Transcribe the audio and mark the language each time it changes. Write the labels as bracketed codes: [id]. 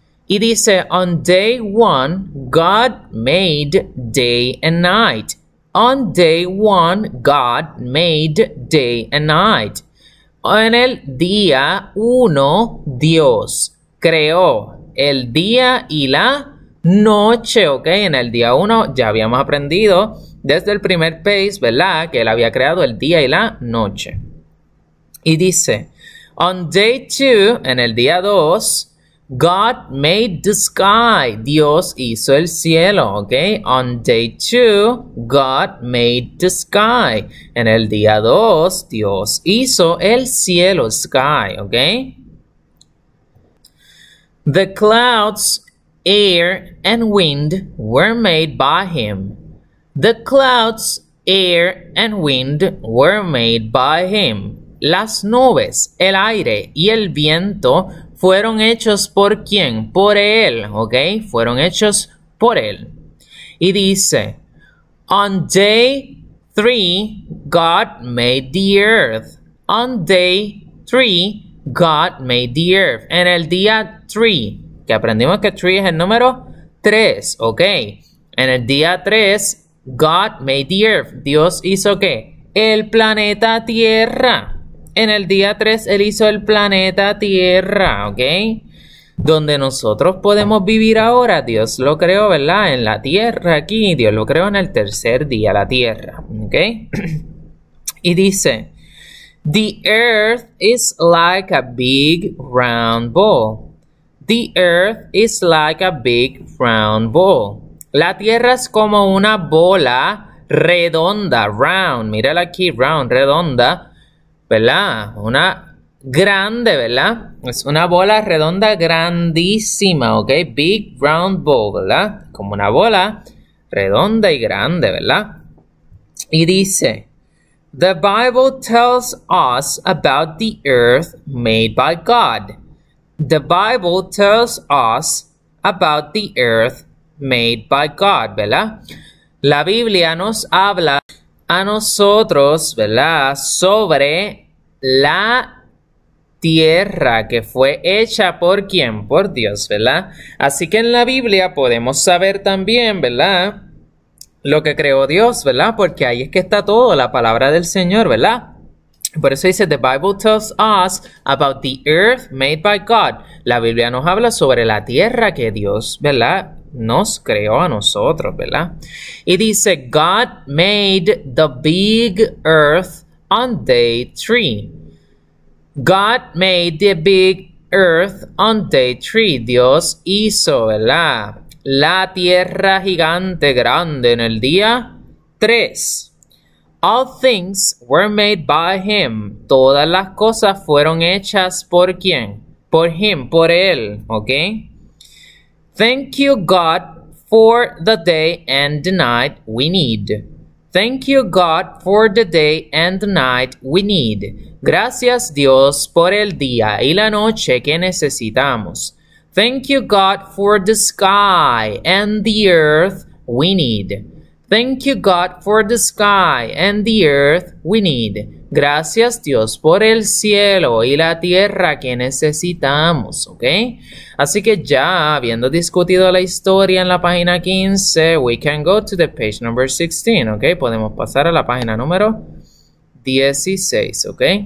[es] Y dice, [en] on day 1, God made day and night. On day 1, God made day and night. [es] En el día 1, Dios creó el día y la noche, ¿ok? En el día 1 ya habíamos aprendido desde el primer page, ¿verdad? Que él había creado el día y la noche. Y dice, [en] on day 2, [es] en el día 2, [en] God made the sky. [es] Dios hizo el cielo, ¿ok? [en] On day 2, God made the sky. [es] En el día 2, Dios hizo el cielo, sky, ¿ok? [en] The clouds, air and wind were made by him. The clouds, air and wind were made by him. [es] Las nubes, el aire y el viento fueron hechos por quién? Por él, ¿ok? Fueron hechos por él. Y dice, [en] on day 3, God made the earth. On day 3, God made the earth. [es] En el día 3, que aprendimos que tree es el número 3, ¿ok? En el día 3, [en] God made the earth. [es] Dios hizo ¿qué? El planeta Tierra. En el día 3, Él hizo el planeta Tierra, ¿ok? donde nosotros podemos vivir ahora, Dios lo creó, ¿verdad? En la tierra aquí, Dios lo creó en el tercer día, la tierra, ¿ok? Y dice, [en] the earth is like a big round ball. The earth is like a big round ball. [es] La tierra es como una bola redonda, round, mírala aquí, round, redonda, ¿verdad? Una grande, ¿verdad? Es una bola redonda grandísima, ¿ok? [en] Big round ball, [es] ¿verdad? Como una bola redonda y grande, ¿verdad? Y dice, [en] the Bible tells us about the earth made by God. The Bible tells us about the earth made by God, [es] ¿verdad? La Biblia nos habla a nosotros, ¿verdad? Sobre la tierra que fue hecha por quién, por Dios, ¿verdad? Así que en la Biblia podemos saber también, ¿verdad? Lo que creó Dios, ¿verdad? Porque ahí es que está todo, la palabra del Señor, ¿verdad? Por eso dice, [en] the Bible tells us about the earth made by God. [es] La Biblia nos habla sobre la tierra que Dios, ¿verdad? Nos creó a nosotros, ¿verdad? Y dice, [en] God made the big earth on day three. God made the big earth on day three. [es] Dios hizo, ¿verdad? La tierra gigante grande en el día 3. [en] All things were made by him. [es] Todas las cosas fueron hechas ¿por quién? Por him, por él, ¿ok? [en] Thank you, God, for the day and the night we need. Thank you, God, for the day and the night we need. [es] Gracias, Dios, por el día y la noche que necesitamos. [en] Thank you, God, for the sky and the earth we need. Thank you, God, for the sky and the earth we need. [es] Gracias, Dios, por el cielo y la tierra que necesitamos, ¿ok? Así que ya, habiendo discutido la historia en la página 15, [en] we can go to the page number 16, [es] ¿ok? Podemos pasar a la página número 16, ¿ok?